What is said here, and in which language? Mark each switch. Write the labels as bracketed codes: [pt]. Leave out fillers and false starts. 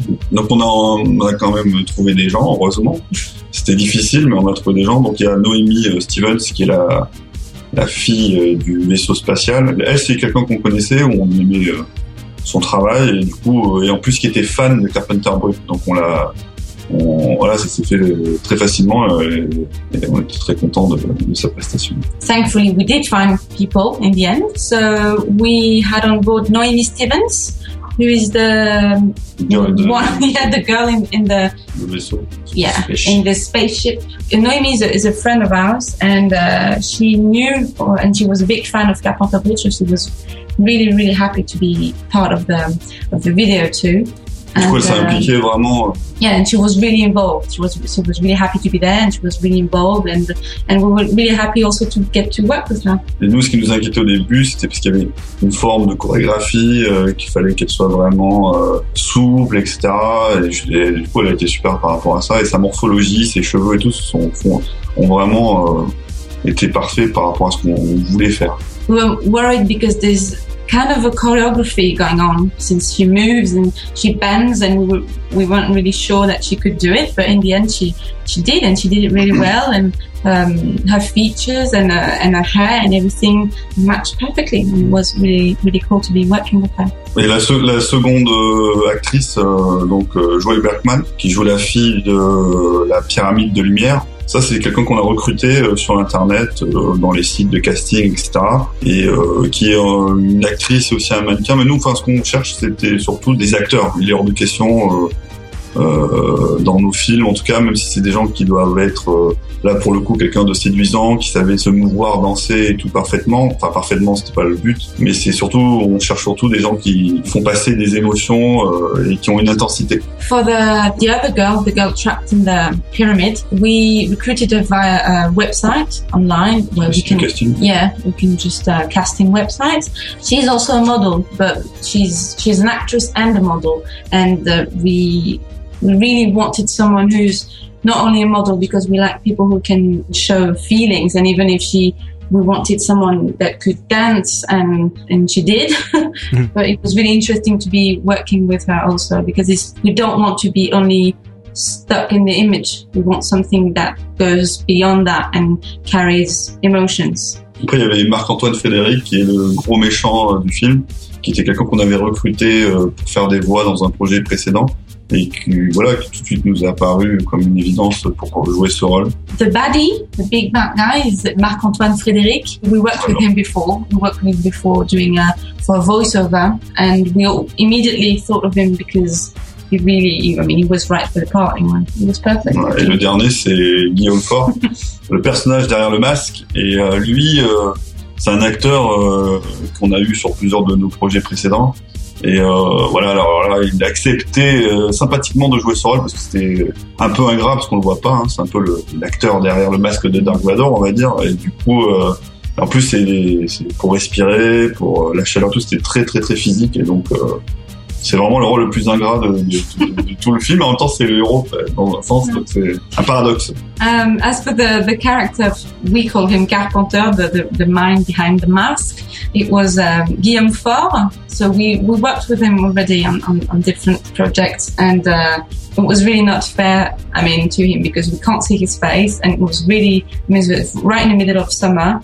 [fr] Donc on a quand même trouvé des gens, heureusement. C'était difficile, mais on a trouvé des gens. Donc il y a Noémie Stevens qui est la fille du vaisseau spatial. Elle, c'est quelqu'un qu'on connaissait, où on aimait son travail, et du coup, et en plus qui était fan de Carpenter Brut, donc on l'a voilà, ça s'est fait très facilement et on était très contents de sa prestation. [en] Thankfully, we did find people in the end. So we had on board Noemi Stevens, who is the girl in the spaceship. Noemi is a friend of ours, and she knew, and she was a big fan of Carpentier, so she was really, really happy to be part of the video too. [fr] Du coup, elle s'est impliquée vraiment. [en] Yeah, and she was really involved. She was really happy to be there, and she was really involved, and we were really happy also to get to work with her. [fr] Et nous, ce qui nous inquiétait au début, c'était parce qu'il y avait une forme de chorégraphie qu'il fallait qu'elle soit vraiment souple, etc. Et du coup, elle a été super par rapport à ça, et sa morphologie, ses cheveux et tout, ont vraiment été parfaits par rapport à ce qu'on voulait faire. [en] We were worried because there's kind of a choreography going on, since she moves and she bends, and we weren't really sure that she could do it, but in the end she did, and she did it really well, and her features and her hair and everything matched perfectly, and it was really, really cool to be working with her. [fr] Et la seconde actrice, donc Joy Bergman, qui joue la fille de la pyramide de lumière. Ça, c'est quelqu'un qu'on a recruté sur Internet, dans les sites de casting, etc. Et qui est une actrice et aussi un mannequin. Mais nous, enfin, ce qu'on cherche, c'était surtout des acteurs. Il est hors de question dans nos films, en tout cas, même si c'est des gens qui doivent être, là, pour le coup, quelqu'un de séduisant, qui savait se mouvoir, danser et tout parfaitement. Enfin, parfaitement, c'était pas le but. Mais c'est surtout, on cherche surtout des gens qui font passer des émotions et qui ont une intensité. [en] For the other girl, the girl trapped in the pyramid, we recruited her via a website online. Where we can, casting. Yeah, we can just casting websites. She's also a model, but she's an actress and a model. And we really wanted someone who's not only a model, because we like people who can show feelings. And even if we wanted someone that could dance, and she did. But it was really interesting to be working with her also, because we don't want to be only stuck in the image. We want something that goes beyond that and carries emotions. [fr] Après, il y avait Marc-Antoine Frédéric, qui est le gros méchant du film, qui était quelqu'un qu'on avait recruté pour faire des voix dans un projet précédent. Et qui, voilà, qui tout de suite nous a apparu comme une évidence pour jouer ce rôle. [en] The baddie, the big bad guy, is Marc-Antoine Frédéric. We worked with him before. We worked with him before doing for a voiceover, and we all immediately thought of him because he really, he was right for the part. He was perfect. Ouais, [fr] et le dernier, c'est Guillaume Faure, le personnage derrière le masque. Et lui, c'est un acteur qu'on a eu sur plusieurs de nos projets précédents. Et voilà, alors là, il a accepté sympathiquement de jouer ce rôle, parce que c'était un peu ingrat, parce qu'on le voit pas, hein, c'est un peu l'acteur derrière le masque de Dark Vador, on va dire. Et du coup, en plus, c'est pour respirer, pour la chaleur, tout, c'était très très très physique, et donc c'est vraiment le rôle le plus ingrat de tout le film. En même temps, c'est le héros, dans un sens, donc c'est un paradoxe. [en] As for the character, we call him Carpenter, the mind behind the mask. It was Guillaume Faure. So we worked with him already on different projects, and it was really not fair, I mean, to him, because we can't see his face, and it was really, it was right in the middle of summer.